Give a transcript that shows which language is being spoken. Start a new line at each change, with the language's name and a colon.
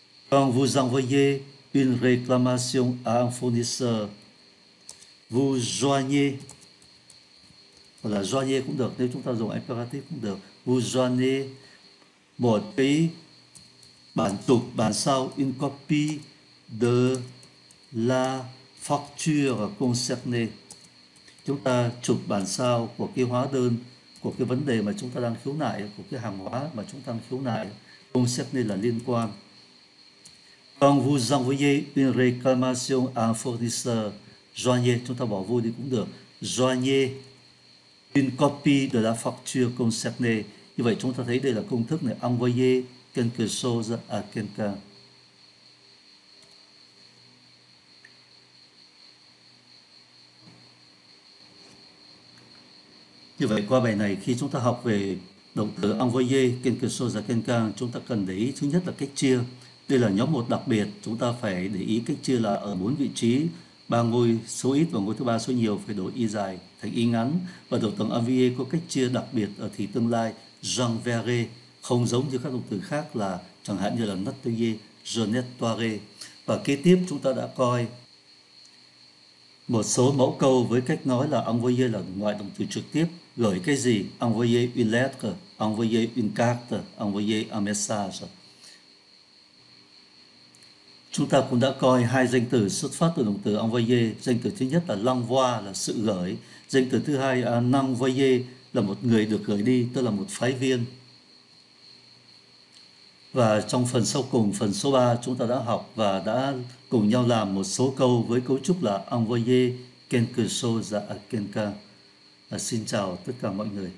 French: Quand vous envoyez une réclamation à un fournisseur, vous joignez,
Vietnamese: hoặc là joignez cũng được,
French: nếu chúng ta dùng imperative cũng được, vous joignez
Vietnamese: một cái bản chụp, bản sao,
French: une copie de la facture concernée.
Vietnamese: Chúng ta chụp bản sao của cái hóa đơn, của cái vấn đề mà chúng ta đang khiếu nại, của cái hàng hóa mà chúng ta đang khiếu nại, concernée là liên quan.
French: Quand vous envoyez une réclamation à un fournisseur, joignez,
Vietnamese: chúng ta bỏ vô đi cũng được,
French: joignez une copie de la facture concernée.
Vietnamese: Như vậy chúng ta thấy đây là công thức này,
French: envoyer quelque chose à quelqu'un.
Vietnamese: Như vậy qua bài này khi chúng ta học về động từ
French: envoyer quelque chose à quelqu'un,
Vietnamese: chúng ta cần để ý thứ nhất là cách chia. Đây là nhóm một đặc biệt, chúng ta phải để ý cách chia là ở bốn vị trí, ba ngôi số ít và ngôi thứ ba số nhiều phải đổi y dài thành y ngắn. Và động từ envoyer có cách chia đặc biệt ở thì tương lai, j'enverrai, không giống như các động từ khác là chẳng hạn như là nettoyer, je nettoierai. Và kế tiếp chúng ta đã coi một số mẫu câu với cách nói là
French: envoyer
Vietnamese: là ngoại động từ trực tiếp, gửi cái gì?
French: Envoyer une lettre, envoyer une carte, envoyer un message.
Vietnamese: Chúng ta cũng đã coi hai danh từ xuất phát từ động từ envoyer. Danh từ thứ nhất là l'envoi, là sự gửi. Danh từ thứ hai là n'envoyer, là một người được gửi đi, tức là một phái viên. Và trong phần sau cùng, phần số 3, chúng ta đã học và đã cùng nhau làm một số câu với cấu trúc là
French: envoyer quelque chose à quelqu'un.
Vietnamese: Xin chào tất cả mọi người.